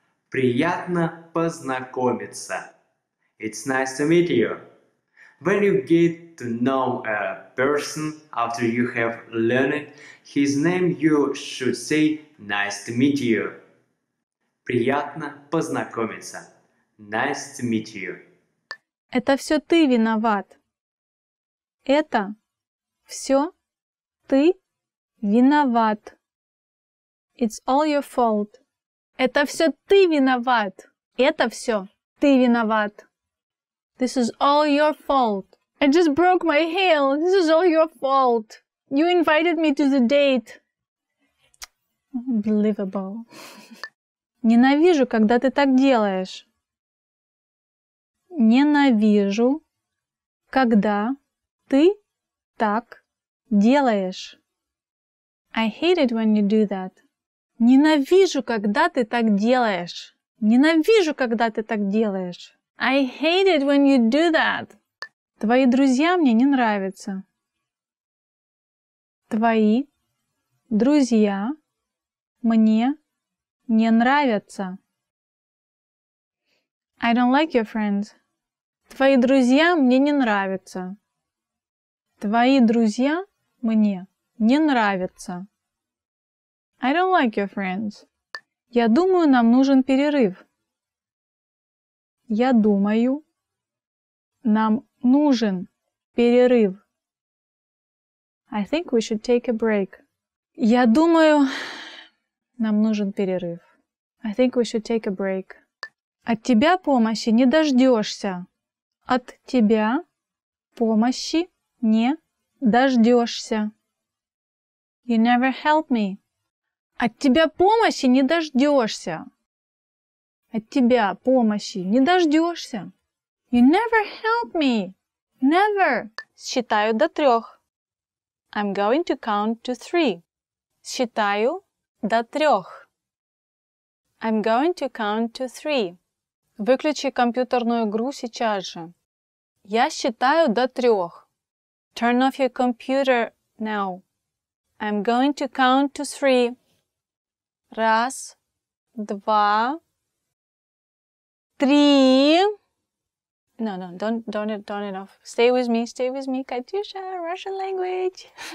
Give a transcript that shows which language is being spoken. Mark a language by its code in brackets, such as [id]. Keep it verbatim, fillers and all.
[ru] Приятно познакомиться. [en] It's nice to meet you. When you get to know a person after you have learned his name, you should say nice to meet you. [ru] Приятно познакомиться. [en] Nice to meet you. [ru] Это все ты виноват. Это все ты виноват. [en] It's all your fault. [ru] Это все ты виноват. Это все ты виноват. [en] This is all your fault. I just broke my heel. This is all your fault. You invited me to the date. Unbelievable. [ru] Ненавижу, когда ты так делаешь. Ненавижу, когда ты так делаешь. [en] I hate it when you do that. [ru] Ненавижу, когда ты так делаешь. Ненавижу, когда ты так делаешь. [en] I hate it when you do that. [ru] Твои друзья мне не нравятся. Твои друзья мне не нравятся. [en] I don't like your friends. [ru] Твои друзья мне не нравятся. Твои друзья мне не нравятся. [en] I don't like your friends. [ru] Я думаю, нам нужен перерыв. Я думаю, нам нужен перерыв. [en] I think we should take a break. [ru] Я думаю, нам нужен перерыв. [en] I think we should take a break. [ru] От тебя помощи не дождешься. От тебя помощи не дождешься. [en] You never help me. [ru] От тебя помощи не дождешься. От тебя помощи не дождешься. [en] You never help me. Never. [ru] Считаю до трех. [en] I'm going to count to three. [ru] Считаю до трех. [en] I'm going to count to three. [ru] Выключи компьютерную игру сейчас же. Я считаю до трех. [en] Turn off your computer now. I'm going to count to three. [ru] Раз, два, три. [en] No, no, don't, don't, don't enough. Stay with me, stay with me, Katyusha, Russian language.